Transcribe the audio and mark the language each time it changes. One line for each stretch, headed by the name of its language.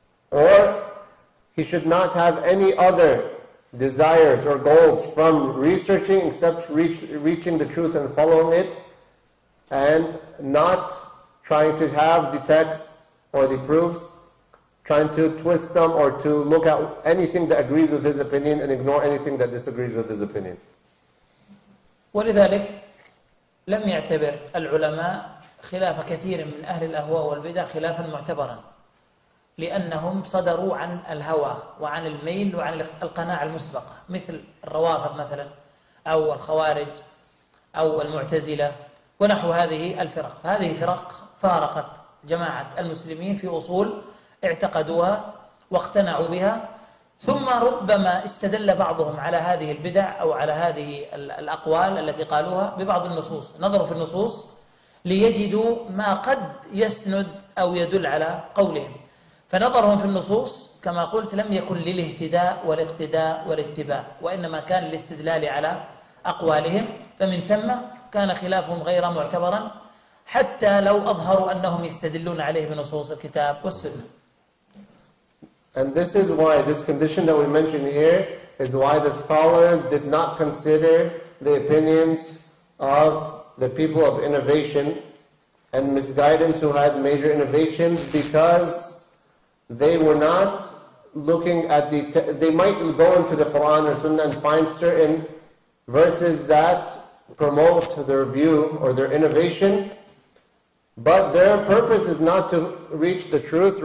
English: Or he should not have any other desires or goals from researching except reaching the truth and following it, and not trying to have the texts or the proofs, trying to twist them or to look at anything that agrees with his opinion and ignore anything that disagrees with his opinion.
Arabic: ولذلك لم يعتبر العلماء خلاف كثير من أهل الأهواء والبدع خلافا معتبرا، لأنهم صدروا عن الهوى وعن الميل وعن القناعة المسبقة، مثل الروافض مثلا أو الخوارج أو المعتزلة ونحو هذه الفرق. هذه فرق فارقت جماعة المسلمين في أصول اعتقدوها واقتنعوا بها، ثم ربما استدل بعضهم على هذه البدع أو على هذه الأقوال التي قالوها ببعض النصوص، نظروا في النصوص ليجدوا ما قد يسند أو يدل على قولهم، فنظرهم في النصوص كما قلت لم يكن للاهتداء والاقتداء والاتباع، وإنما كان للاستدلال على أقوالهم، فمن ثم كان خلافهم غير معتبرا حتى لو أظهروا أنهم يستدلون عليه بنصوص الكتاب والسنة.
English: And this is why this condition that we mentioned here is why the scholars did not consider the opinions of the people of innovation and misguidance who had major innovations, because they were not looking at the they might go into the Quran or Sunnah and find certain verses that promote their view or their innovation, but their purpose is not to reach the truth.